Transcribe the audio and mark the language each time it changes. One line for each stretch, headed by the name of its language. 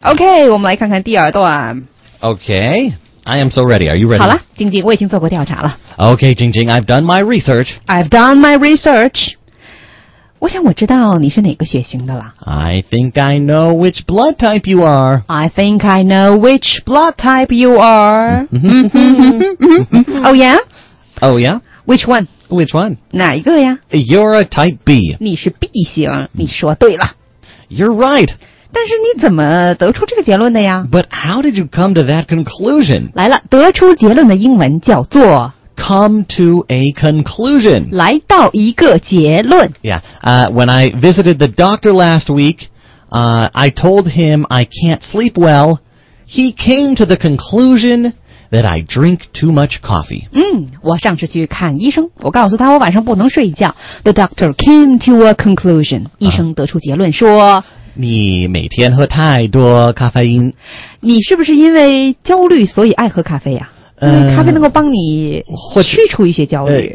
Chinese: OK， 我们来看看第二段。
English: OK, I am so ready. Are you ready?
Chinese: 好了，晶晶，我已经做过调查了。
English: OK, 晶晶， I've done my research. I've done my research.
Chinese: 我想我知道你是哪个血型的了。
English: I think I know which blood type you are. I think I know which blood type you are. Oh, yeah? Oh, yeah? Which one? Which one?
Chinese: 哪一个呀?
English: You're a type B.
Chinese: 你是 B 型,你说对了。
English: You're right.
Chinese: 但是你怎么得出这个结论的呀?
English: But how did you come to that conclusion?
Chinese: 来了,得出结论的英文叫做...
English: Come to a conclusion.
Chinese: 来到一个结论。
English: Yeah, when I visited the doctor last week, I told him I can't sleep well. He came to the conclusion... that I drink too much coffee.
Chinese: 我上次去看医生，我告诉他我晚上不能睡觉。
English: The doctor came to a conclusion.
Chinese: 医生得出结论说，你每天喝太多咖啡因。你是不是因为焦虑所以爱喝咖啡呀？咖啡能够帮你去除一些焦虑。